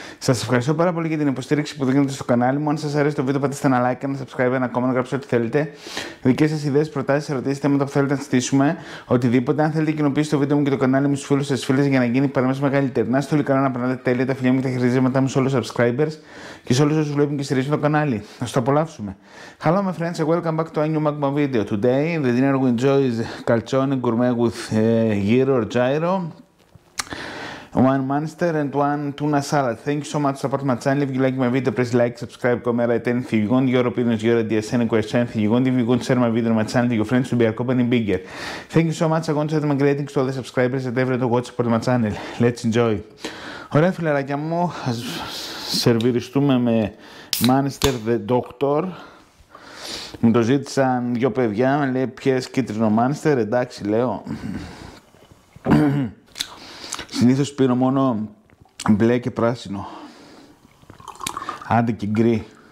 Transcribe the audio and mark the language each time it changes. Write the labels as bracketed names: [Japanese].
[Greek] Σας ευχαριστώ πάρα πολύ για την υποστήριξη που δίνετε στο κανάλι μου. Αν σας αρέσει το βίντεο πατήστε ένα like, ένα subscribe, ένα comment, γράψτε ό,τι θέλετε. Δικές σας ιδέες, προτάσεις, ερωτήσεις, θέματα που θέλετε να συζητήσουμε, οτιδήποτε. Αν θέλετε κοινοποιήστε το βίντεο μου και το κανάλι μου στους φίλους σας, φίλες, για να γίνει παραμέσως μεγαλύτερη. Να είστε όλοι καλά, να περνάτε τέλεια, τα φιλιά μου και τα χαιρετίσματά μου σε όλους τους subscribers και σε όλους όσους βλέπουν και στηρίζουν το κανάλι. Ας το απολαύσουμε. [English] Hello my friends, welcome back to a new Magma video. Today the dinner we enjoy is calzone gourmet with gyro or gyro. One monster and one tuna salad. Thank you so much for supporting my channel. If you like my video, please like, subscribe, comment, and if you want your opinions, your ideas, any questions, if you want to share my video on my channel to your friends, to be our company bigger. Thank you so much. I want to send my greetings to all the subscribers that ever to watch support my channel. Let's enjoy. [Greek] Ωραία φιλαράκια μου, ας σερβιριστούμε με monster the doctor. Μου το ζήτησαν δύο παιδιά, με λέει πιες κίτρινο monster, εντάξει λέω. Συνήθως πίνω μόνο μπλε και πράσινο, άντε και γκρι.